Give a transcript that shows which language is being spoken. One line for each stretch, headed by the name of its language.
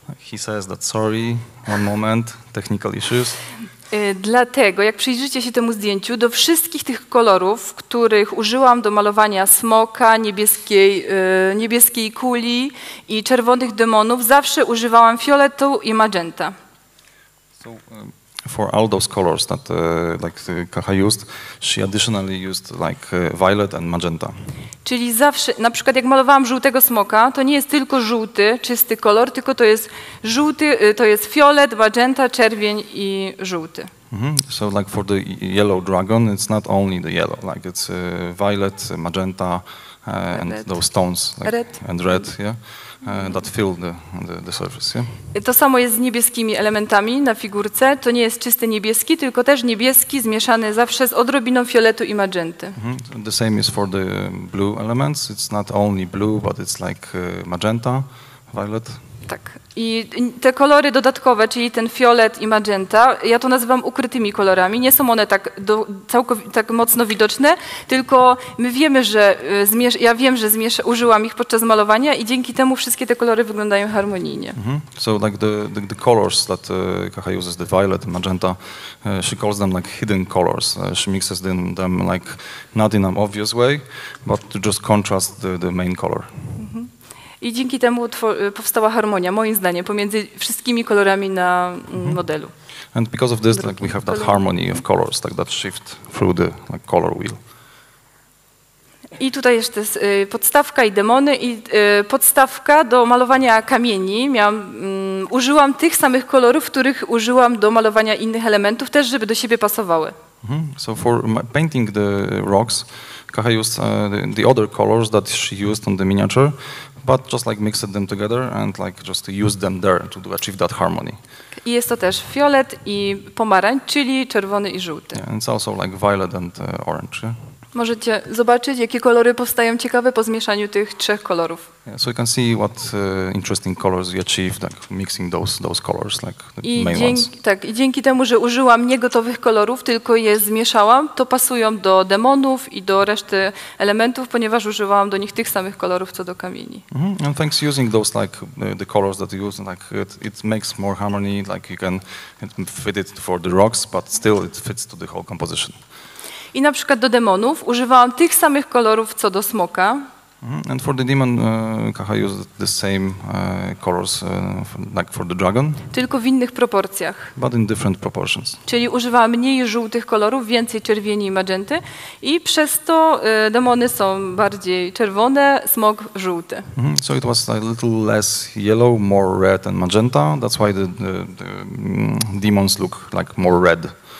English: He says that sorry, one moment, technical issues.
Polish: Dlatego, jak przyjrzycie się temu zdjęciu, do wszystkich tych kolorów, których użyłam do malowania smoka, niebieskiej kuli i czerwonych demonów, zawsze używałam fioletu i magenta.
English: So, for all those colors that like Kaha used, she additionally used like violet and magenta.
Polish: Czyli zawsze, na przykład jak malowałam żółtego smoka, to nie jest tylko żółty, czysty kolor, tylko to jest żółty, to jest fiolet, magenta, czerwień i żółty. Mm-hmm.
English: So like for the yellow dragon, it's not only the yellow, like it's violet, magenta and red. Those tones like, red. And red, yeah. That fill the surface, yeah?
Polish: To samo jest z niebieskimi elementami na figurce. To nie jest czysty niebieski, tylko też niebieski zmieszany zawsze z odrobiną fioletu i magenty. Mm-hmm.
English: The same is for the blue elements. It's not only blue, but it's like magenta, violet.
Polish: Tak. I te kolory dodatkowe, czyli ten fiolet i magenta, ja to nazywam ukrytymi kolorami. Nie są one tak mocno widoczne, tylko my wiemy, że użyłam ich podczas malowania i dzięki temu wszystkie te kolory wyglądają harmonijnie. Mm-hmm.
English: So like the colors that Kaha uses, the violet, magenta, she calls them like hidden colors. She mixes them like not in an obvious way, but to just contrast the main color. Mm-hmm.
Polish: I dzięki temu powstała harmonia, moim zdaniem, pomiędzy wszystkimi kolorami na modelu.
English: And because of this, like we have that harmony of colors, like that shift through the like, color wheel.
Polish: I tutaj jeszcze jest podstawka i demony i podstawka do malowania kamieni. Użyłam tych samych kolorów, których użyłam do malowania innych elementów, też żeby do siebie pasowały. Mm-hmm.
English: So for painting the rocks, Kaha used the other colors that she used on the miniature. But just like mixed them together and like just to use them there to achieve that harmony.
Polish: I jest to też fiolet i pomarańcz, czyli czerwony i żółty.
English: Yeah, and it's also like violet and orange. Yeah?
Polish: Możecie zobaczyć, jakie kolory powstają ciekawe po zmieszaniu tych trzech kolorów.
English: Yeah, so you can see what interesting colors we achieved, like mixing those colors, like the main ones.
Polish: Tak, i dzięki temu, że użyłam nie gotowych kolorów, tylko je zmieszałam, to pasują do demonów i do reszty elementów, ponieważ użyłam do nich tych samych kolorów, co do kamieni. Mm-hmm.
English: And thanks using those, like the colors that you use, like it makes more harmony, like you can fit it for the rocks, but still it fits to the whole composition.
Polish: I na przykład do demonów używałam tych samych kolorów, co do smoka.
English: And for the demon, Kaha used the same colors like for the dragon.
Polish: Tylko w innych proporcjach.
English: But in different proportions.
Polish: Czyli używałam mniej żółtych kolorów, więcej czerwieni i magenty. I przez to demony są bardziej czerwone, smok żółty. Mm-hmm.
English: So it was a little less yellow, more red and magenta. That's why the demons look like more red.